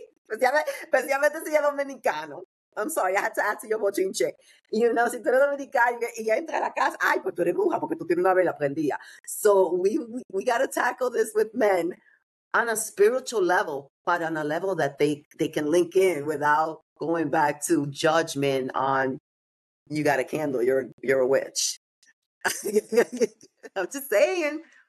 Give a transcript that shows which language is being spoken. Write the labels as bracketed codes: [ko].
[es] Especialmente si eres dominicano. [en] I'm sorry, I had to add to your bochinche. You know, [es] si tú eres dominicano y ya entras a la casa, ay, pues tú eres bruja porque tú tienes una vela prendida. [en] So we got to tackle this with men on a spiritual level, but on a level that they can link in without going back to judgment on, you got a candle, you're a witch. I'm just saying.